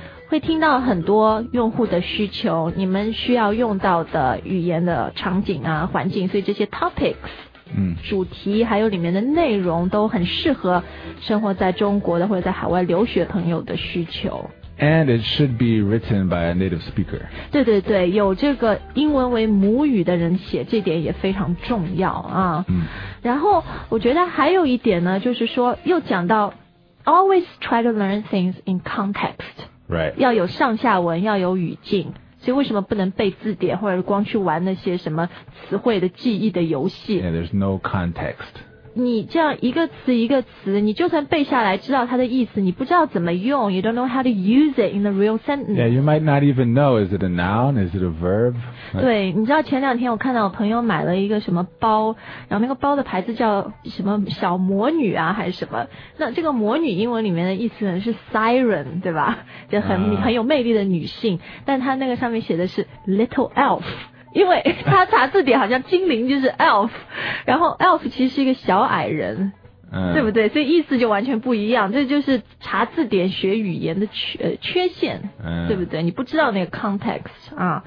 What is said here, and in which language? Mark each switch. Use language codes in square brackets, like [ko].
[zh] 会听到很多用户的需求你们需要用到的语言的场景啊环境所以这些 topics主题还有里面的内容都很适合生活在中国的或者在海外留学朋友的需求 [en] And it should be written by a native speaker. [zh] 对对对，有这个英文为母语的人写，这点也非常重要啊。嗯。然后我觉得还有一点呢，就是说又讲到 [en] always try to learn things in context. Right. [zh] 要有上下文，要有语境。所以为什么不能背字典，或者光去玩那些什么词汇的记忆的游戏 [en] ？Yeah, there's no context. [zh] 你这样一个词一个词你就算背下来知道它的意思你不知道怎么用 [en] You don't know how to use it in the real sentence Yeah, you might not even know Is it a noun? Is it a verb? [zh] 对你知道前两天我看到我朋友买了一个什么包然后那个包的牌子叫什么小魔女啊还是什么那这个魔女英文里面的意思是 siren 对吧就 很有魅力的女性但它那个上面写的是 little elf因为他查字典好像精灵就是 elf 然后 elf 其实是一个小矮人、对不对所以意思就完全不一样这就是查字典学语言的 缺陷、对不对你不知道那个 context 啊。